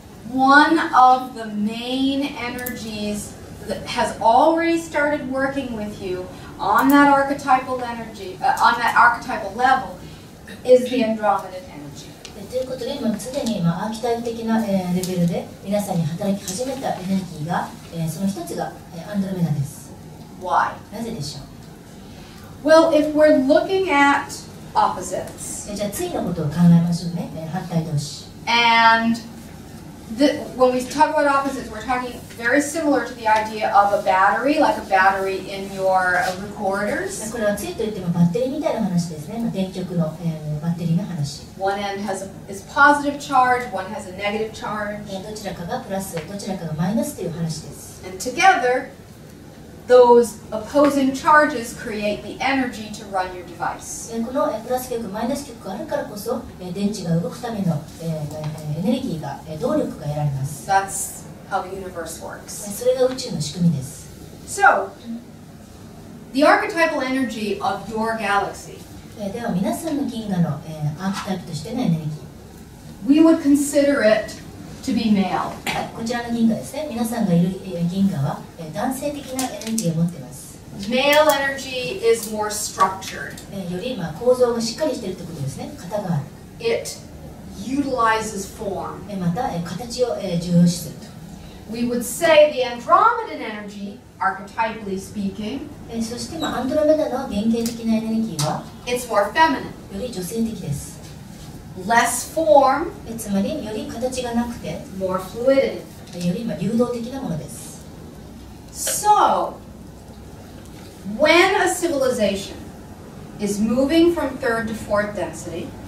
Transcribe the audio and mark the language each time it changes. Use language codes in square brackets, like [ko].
[en] One of the main energies that has already started working with you on that archetypal energy, on that archetypal level, is the Andromeda energy. [ja] ということで、今すでに今アーキタイプ的なレベルで皆さんに働き始めたエネルギーが、その一つがアンドロメダです。 [en] Why? [ja] なぜでしょう? [en] Well, if we're looking at opposites, [ja] じゃあ対のことを考えましょうね。反対同士。 [en] And when we talk about opposites, we're talking very similar to the idea of a battery, like a battery in your recorders. [ja] これは対といってもバッテリーみたいな話ですね。電極の、バッテリーの話。 [en] One end is positive charge, one has a negative charge. [ja] どちらかがプラス、どちらかがマイナスという話です。 [en] And together,Those opposing charges create the energy to run your device. [ja] このプラス極、マイナス極があるからこそ、電池が動くためのエネルギーが、動力が得られます。 [en] That's how the universe works. [ja] それが宇宙の仕組みです。 [en] So, the archetypal energy of your galaxy. [ja] では皆さんの銀河の、アーキタイプとしてのエネルギー。 [en] We would consider it. To be male. [ja] こちらの銀河ですね。皆さんがいる銀河は男性的なエネルギーを持っています。 [en] Male energy is more structured. [ja] より構造がしっかりしているということですね。型がある。 [en] It utilizes form. [ja] また形を重要視すると。 [en] We would say the Andromedan energy, archetypally speaking. [ja] そしてアンドロメダの原型的なエネルギーは [en] It's more feminine. [ja] より女性的です。 [en] Less form, [ja] つまりより形がなくて [en] more fluidity, [ja] より流動的なものです。 [en] So, when a civilization is moving from third to fourth density,